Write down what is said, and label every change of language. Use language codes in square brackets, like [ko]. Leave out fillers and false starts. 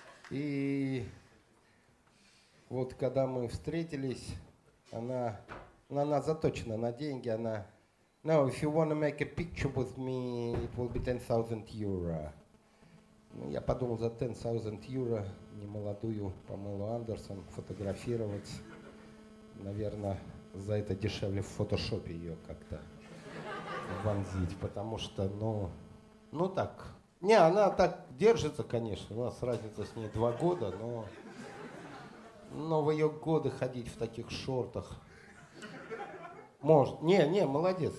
[ru] И вот когда мы встретились, она... Но она заточена на деньги, она... [en] No, if you want to make a picture with me, it will be 10,000 euro. [ru] Ну, я подумал, за 10,000 euro немолодую Памелу Андерсон фотографировать. Наверное, за это дешевле в фотошопе ее как-то вонзить, потому что, ну так. Не, она так держится, конечно, у нас разница с ней 2 года, но в ее годы ходить в таких шортах... Может. Не, молодец.